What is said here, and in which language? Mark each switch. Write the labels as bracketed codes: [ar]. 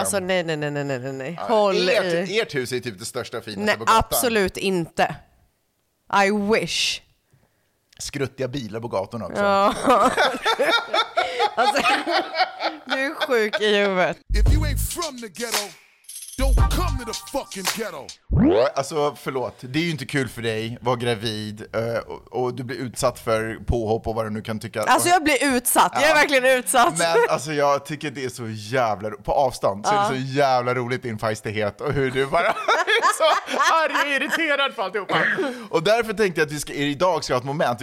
[sv] Alltså nej. Håll ert hus är typ det största finaste på gatan. Nej, absolut inte. [en] I wish. [sv] Skruttiga bilar på gatorna också. Ja. Alltså, du är sjuk i huvudet. [en] If you ain't from the ghetto, don't come to the fucking ghetto. [sv] Alltså, förlåt. Det är ju inte kul för dig att vara gravid och du blir utsatt för påhopp och vad du nu kan tycka. Alltså, jag blir utsatt. Ja. Jag är verkligen utsatt. Men alltså, jag tycker det är så jävla... På avstånd så är det så jävla roligt din feistighet och hur du bara... Så arg och irriterad för alltihopa. Och därför tänkte jag att vi ska, idag ska ha ett moment.